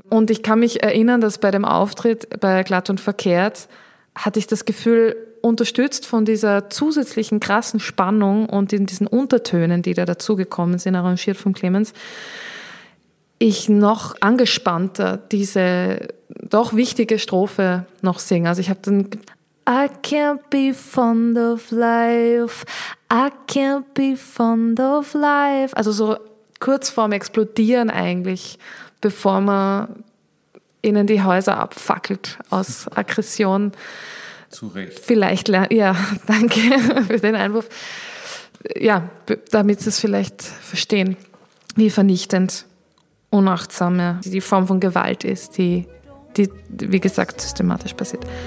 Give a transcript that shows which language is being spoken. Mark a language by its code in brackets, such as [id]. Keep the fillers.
[de] Und ich kann mich erinnern, dass bei dem Auftritt bei Glatt und Verkehrt hatte ich das Gefühl, unterstützt von dieser zusätzlichen krassen Spannung und in diesen Untertönen, die da dazugekommen sind, arrangiert von Clemens, ich noch angespannter diese doch wichtige Strophe noch singe. Also ich habe dann [en] I can't be fond of life, I can't be fond of life. [de] Also so kurz vorm Explodieren eigentlich, bevor man ihnen die Häuser abfackelt aus Aggression. Zu Recht. Vielleicht, ja, danke für den Einwurf. Ja, damit Sie es vielleicht verstehen, wie vernichtend unachtsame die Form von Gewalt ist, die, die wie gesagt, systematisch passiert.